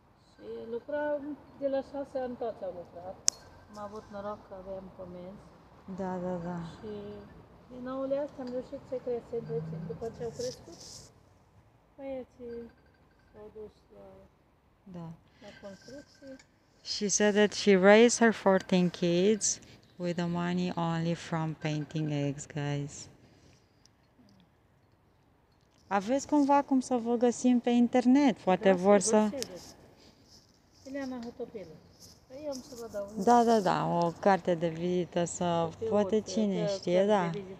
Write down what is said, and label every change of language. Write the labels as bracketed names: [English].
[Romanian] Și lucram de la 6 ani, toți am lucrat. Am avut noroc că aveam comenzi. Da, da, da. Și din noule astea am reușit să crească între timp. După ce au crescut, băieții s-au dus la construcții. [English] She said that she raised her 14 kids with the money only from painting eggs, guys. [Romanian] Aveți cumva cum să vă găsim pe internet? Poate da, vor să... Ileana Hotopilă. Păi eu am să vă dau... Da, da, da, o carte de vizită să... Hârtiuță, poate cine știe, da.